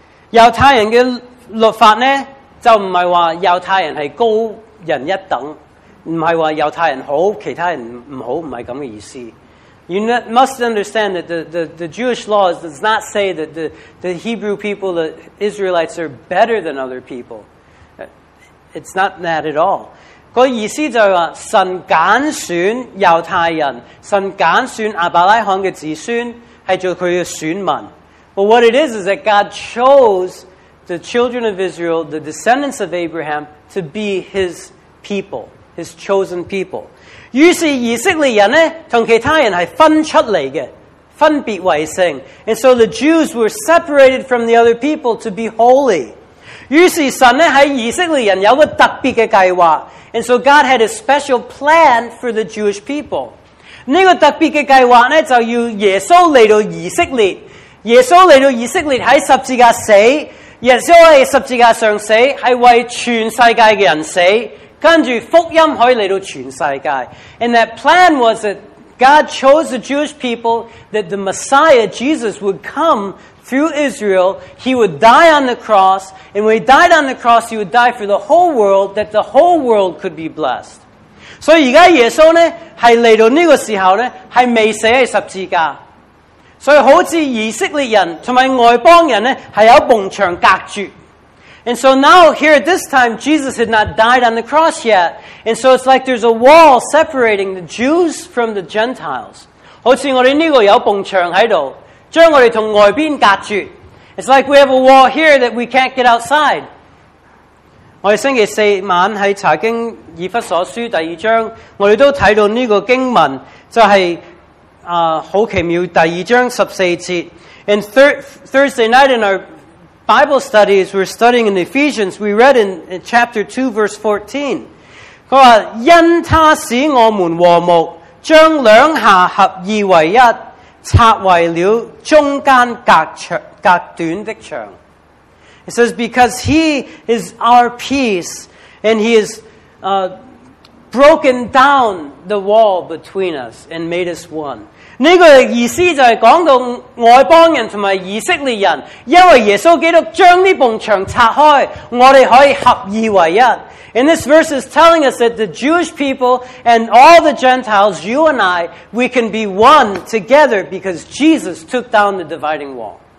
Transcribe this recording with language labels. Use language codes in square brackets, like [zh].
[zh] 犹太人的律法呢，就不是说犹太人是高人一等。不是说犹太人好其他人不好，不是这样的意思。 [en] You must understand that the Jewish law does not say that the Hebrew people, the Israelites, are better than other people. It's not that at all. [zh] 个意思就是神拣选犹太人，神拣选亚伯拉罕的子孙是做他的选民。 [en] But what it is that God chose the children of Israel, the descendants of Abraham, to be his people, his chosen people. [zh] 于是以色列人呢，同其他人是分出来的，分别为圣。 [en] And so the Jews were separated from the other people to be holy. [zh] 于是神呢，在以色列人有个特别的计划。 [en] And so God had a special plan for the Jewish people. [zh] 这个特别的计划呢，就要耶稣来到以色列。耶稣来到以色列在十字架死，耶稣在十字架上死，是为全世界的人死。跟住福音可以来到全世界。 [en] And that plan was that God chose the Jewish people that the Messiah, Jesus, would come through Israel. He would die on the cross. And when he died on the cross, he would die for the whole world, that the whole world could be blessed. [zh] 所以现在耶稣呢，是来到这个时候呢，是未死在十字架。所以好像以色列人和外邦人呢，是有蒙墙隔绝。 [en] And so now, here at this time, Jesus had not died on the cross yet. And so it's like there's a wall separating the Jews from the Gentiles. [zh] 好像我们这个有蓬墙在这里，将我们从外边隔绝。 [en] It's like we have a wall here that we can't get outside. [zh] 我们星期四晚在查经以弗所书第二章，我们都看到这个经文，就是很奇妙，第二章十四节。 [en] And Thursday night in our Bible studies, we're studying in Ephesians, we read in chapter 2, verse 14. [zh] 他说，因他使我们和睦，将两下合意为一，拆为了中间隔断的墙。 [en] It says, because he is our peace, and he has broken down the wall between us and made us one. [zh] 这个意思就是讲到外邦人和以色列人，因为耶稣基督将这埲墙拆开，我们可以合二为一。 [en] And this verse is telling us that the Jewish people and all the Gentiles, you and I, we can be one together because Jesus took down the dividing wall.